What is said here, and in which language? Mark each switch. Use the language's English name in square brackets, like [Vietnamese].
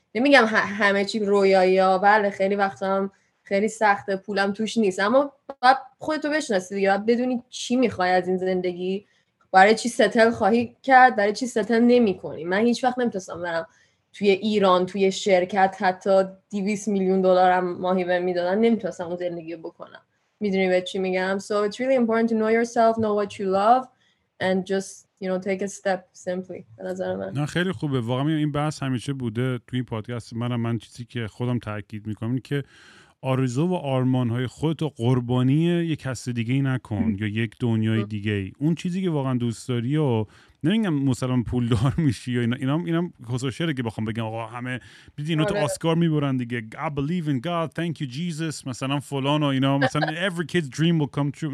[Persian] نمیگم همه چی رویایی ها، بله خیلی وقتا هم خیلی سخته، پولم توش نیست، اما باید خودتو بشناسی دیگه، باید بدونی چی میخوای از این زندگی، برای چی ستل خواهی کرد، برای چی ستل نمی کنی. من هیچ وقت نمیتونستم برم توی ایران توی شرکت حتی 200 میلیون دلارم ماهی بهم میدادن، نمیتونستم اون زندگی رو بکنم. میدونی به چی میگم؟ [English] So it's really important to know yourself, know what you love and just you know take a step simply. [Persian] نه خیلی خوبه واقعا. این بحث همیشه بوده توی این پادکست منم، من چیزی که خودم تاکید میکنم این که آرزو و آرمانهای خودت رو قربانی یک کس دیگه ای نکن یا یک دنیای دیگه ای. اون چیزی که واقعا دوست داری و نمیگم مثلا پولدار میشی یا اینا کسوشیه که بخوام بگم آقا همه بیدین تو آسکار میبرن دیگه [English] I believe in God, thank you Jesus [Persian] مثلا فلان و اینا مثلا [English] every kid's dream will come true.